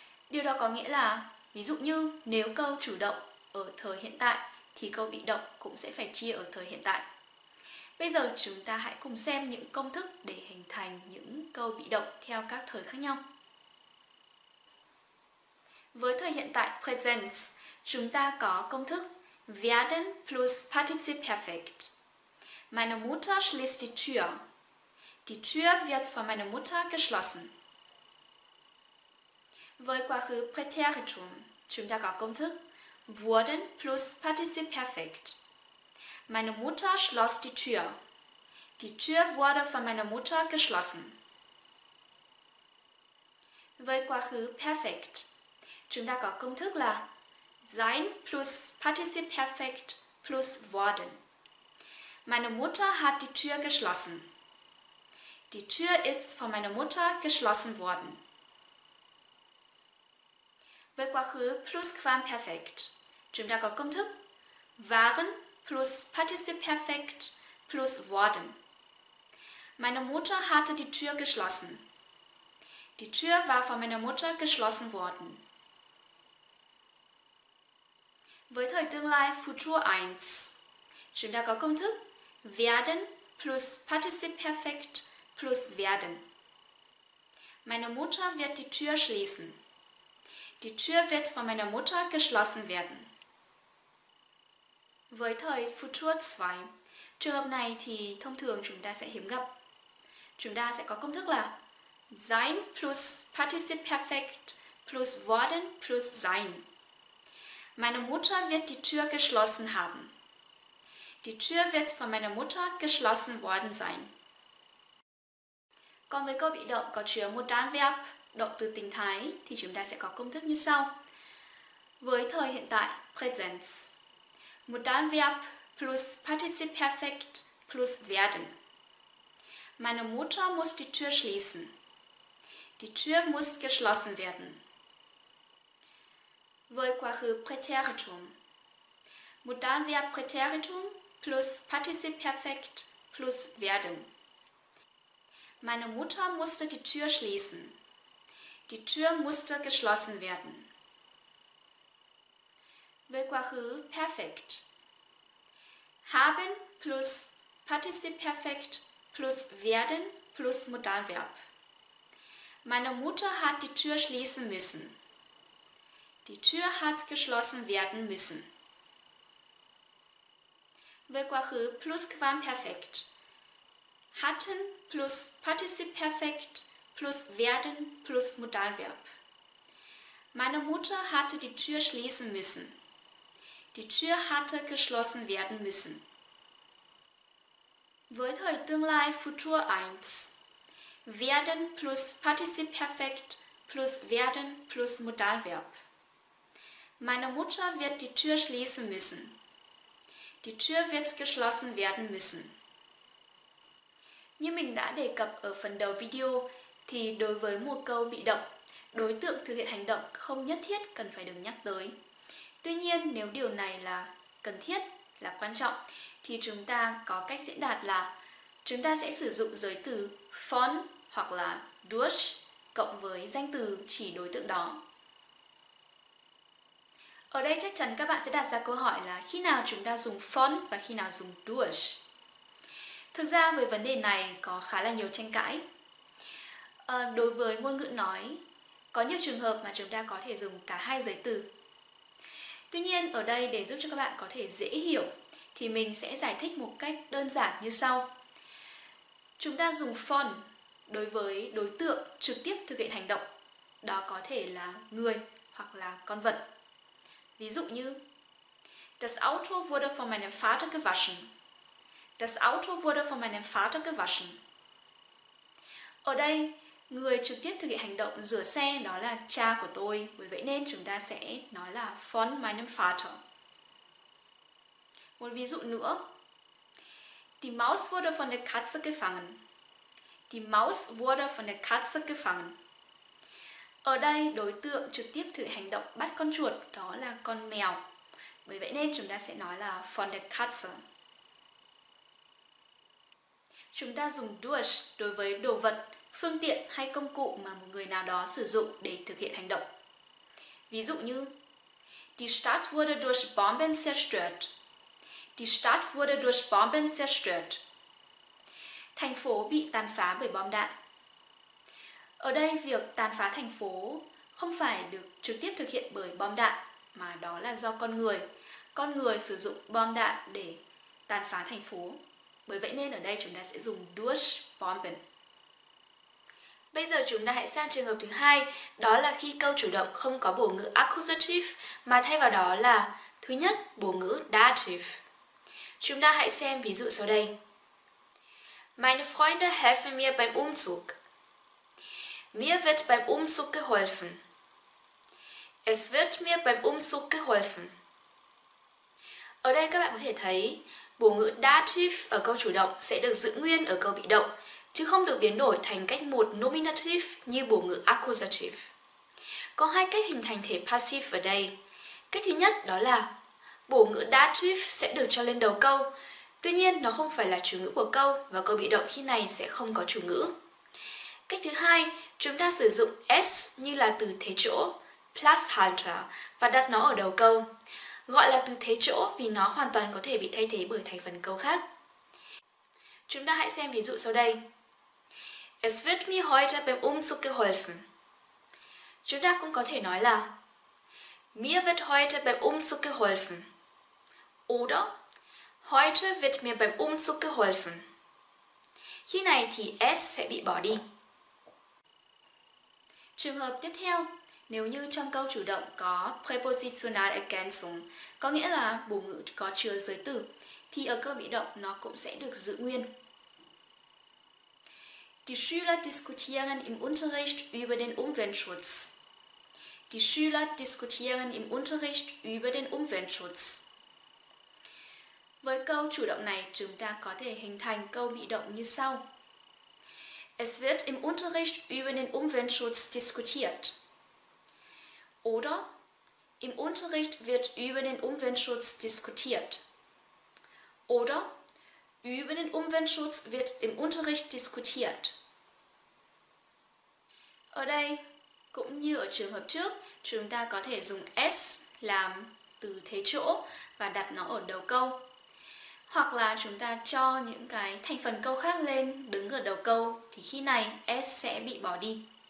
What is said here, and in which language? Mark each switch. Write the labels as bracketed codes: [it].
[vi] Điều đó có nghĩa là, ví dụ như nếu câu chủ động ở thời hiện tại thì câu bị động cũng sẽ phải chia ở thời hiện tại. Bây giờ chúng ta hãy cùng xem những công thức để hình thành những câu bị động theo các thời khác nhau. Với thời hiện tại present, chúng ta có công thức werden plus participle perfect. [de] Meine Mutter schließt die Tür. Die Tür wird von meiner Mutter geschlossen. [vi] Với quá khứ Präteritum, chúng ta có công thức wurden plus participle perfect. [de] Meine Mutter schloss die Tür. Die Tür wurde von meiner Mutter geschlossen. [vi] với quá khứ perfect. Chúng ta có công thức là sein plus participe perfect plus worden. [de] Meine Mutter hat die Tür geschlossen. Die Tür ist von meiner Mutter geschlossen worden. [vi] Với quá khứ plus quamperfekt. Chúng ta có công thức waren plus participe perfect plus worden. [de] Meine Mutter hatte die Tür geschlossen. Die Tür war von meiner Mutter geschlossen worden. [vi] Với thời tương lai Futur 1. Chúng ta có công thức werden plus participe perfect plus werden. [de] Meine Mutter wird die Tür schließen. Die Tür wird von meiner Mutter geschlossen werden. [vi] Với thời Futur 2. Trường hợp này thì thông thường chúng ta sẽ hiếm gặp. Chúng ta sẽ có công thức là sein plus participe perfect plus worden plus sein. [de] Meine Mutter wird die Tür geschlossen haben. Die Tür wird von meiner Mutter geschlossen worden sein. [vi] Còn với câu bị động có chứa một đan verb, động từ tình thái, thì chúng ta sẽ có công thức như sau. Với thời hiện tại, present. Một đan verb plus participe perfect plus werden. [de] Meine Mutter muss die Tür schließen. Die Tür muss geschlossen werden. [vi] Với quá khứ Präteritum. Mudanverb Präteritum plus Participe Perfekt plus werden. [de] Meine Mutter musste die Tür schließen. Die Tür musste geschlossen werden. [vi] Với quá khứ Perfekt. Haben plus Participe Perfekt plus werden plus Mudanverb. [de] Meine Mutter hat die Tür schließen müssen. Die Tür hat geschlossen werden müssen. [vi] Với quá khứ plus quamperfekt. [de] Hatten plus participe perfect plus werden plus modalverb. Meine Mutter hatte die Tür schließen müssen. Die Tür hatte geschlossen werden müssen. [vi] Với thời tương lai Futur 1. [de] Werden plus participe perfect plus werden plus modalverb. Meine Mutter wird die Tür schließen müssen. Die Tür wird geschlossen werden müssen. [vi] Như mình đã đề cập ở phần đầu video, thì đối với một câu bị động, đối tượng thực hiện hành động không nhất thiết cần phải được nhắc tới. Tuy nhiên, nếu điều này là cần thiết, là quan trọng, thì chúng ta có cách diễn đạt là chúng ta sẽ sử dụng giới từ von hoặc là durch cộng với danh từ chỉ đối tượng đó. Ở đây chắc chắn các bạn sẽ đặt ra câu hỏi là khi nào chúng ta dùng von và khi nào dùng durch. Thực ra với vấn đề này có khá là nhiều tranh cãi. Đối với ngôn ngữ nói, có nhiều trường hợp mà chúng ta có thể dùng cả hai giới từ. Tuy nhiên ở đây để giúp cho các bạn có thể dễ hiểu thì mình sẽ giải thích một cách đơn giản như sau. Chúng ta dùng von đối với đối tượng trực tiếp thực hiện hành động. Đó có thể là người hoặc là con vật. Ví dụ như [de] Das Auto wurde von meinem Vater gewaschen. Das Auto wurde von meinem Vater gewaschen. [vi] Ở đây, người trực tiếp thực hiện hành động rửa xe đó là cha của tôi. Vì vậy nên chúng ta sẽ nói là von meinem Vater. Một ví dụ nữa. [de] Die Maus wurde von der Katze gefangen. Die Maus wurde von der Katze gefangen. [vi] Ở đây, đối tượng trực tiếp thực hành động bắt con chuột đó là con mèo. Bởi vậy nên chúng ta sẽ nói là von der Katze. Chúng ta dùng durch đối với đồ vật, phương tiện hay công cụ mà một người nào đó sử dụng để thực hiện hành động. Ví dụ như [de] Die Stadt wurde durch Bomben zerstört. Die Stadt wurde durch Bomben zerstört. [vi] Thành phố bị tàn phá bởi bom đạn. Ở đây, việc tàn phá thành phố không phải được trực tiếp thực hiện bởi bom đạn, mà đó là do con người. Con người sử dụng bom đạn để tàn phá thành phố. Bởi vậy nên ở đây chúng ta sẽ dùng durch Bomben. Bây giờ chúng ta hãy sang trường hợp thứ hai, đó là khi câu chủ động không có bổ ngữ accusative, mà thay vào đó là thứ nhất, bổ ngữ dative. Chúng ta hãy xem ví dụ sau đây. [de] Meine Freunde helfen mir beim Umzug. Mir wird beim Umzug geholfen. Es wird mir beim Umzug geholfen. [vi] Ở đây các bạn có thể thấy bộ ngữ dative ở câu chủ động sẽ được giữ nguyên ở câu bị động, chứ không được biến đổi thành cách một nominative như bộ ngữ accusative. Có hai cách hình thành thể passive ở đây. Cách thứ nhất đó là bộ ngữ dative sẽ được cho lên đầu câu, tuy nhiên nó không phải là chủ ngữ của câu và câu bị động khi này sẽ không có chủ ngữ. Cách thứ hai, chúng ta sử dụng S như là từ thế chỗ, Platzhalter, và đặt nó ở đầu câu. Gọi là từ thế chỗ vì nó hoàn toàn có thể bị thay thế bởi thành phần câu khác. Chúng ta hãy xem ví dụ sau đây. [de] Es wird mir heute beim Umzug geholfen. [vi] Chúng ta cũng có thể nói là [de] Mir wird heute beim Umzug geholfen. Oder Heute wird mir beim Umzug geholfen. [vi] Khi này thì S sẽ bị bỏ đi. Trường hợp tiếp theo, nếu như trong câu chủ động có prepositional ergänzung, có nghĩa là bổ ngữ có chứa giới từ, thì ở câu bị động nó cũng sẽ được giữ nguyên. [de] Die Schüler diskutieren im Unterricht über den Umweltschutz. Die Schüler diskutieren im Unterricht über den Umweltschutz. [vi] Với câu chủ động này, chúng ta có thể hình thành câu bị động như sau. [de] Es wird im Unterricht über den Umweltschutz diskutiert. Oder im Unterricht wird über den Umweltschutz diskutiert. Oder über den Umweltschutz wird im Unterricht diskutiert. [vi] Ở đây, cũng như ở trường hợp trước, chúng ta có thể dùng S làm từ thế chỗ và đặt nó ở đầu câu. Hoặc là chúng ta cho những cái thành phần câu khác lên đứng ở đầu câu thì khi này S sẽ bị bỏ đi.